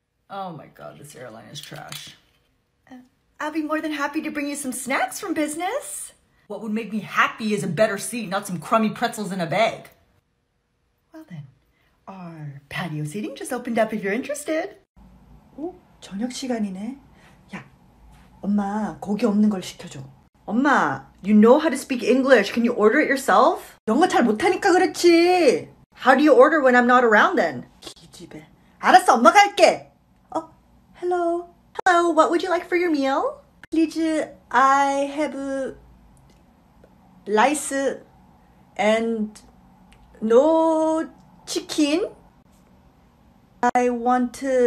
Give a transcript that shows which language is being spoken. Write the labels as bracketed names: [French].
[English] Oh my God, this airline is trash. I'll be more than happy to bring you some snacks from business. What would make me happy is a better seat, not some crummy pretzels in a bag. Well then, our patio seating just opened up if you're interested. [Korean] Oh, 저녁 시간이네. 야, 엄마 고기 없는 걸 시켜줘. [English] 엄마, you know how to speak English. Can you order it yourself? [Korean] 영어 잘 못하니까 그렇지. [English] How do you order when I'm not around then? [Korean] 기집애. 알았어, 엄마 갈게. [English] Hello. Hello, what would you like for your meal? Please, I have rice and no chicken. I want...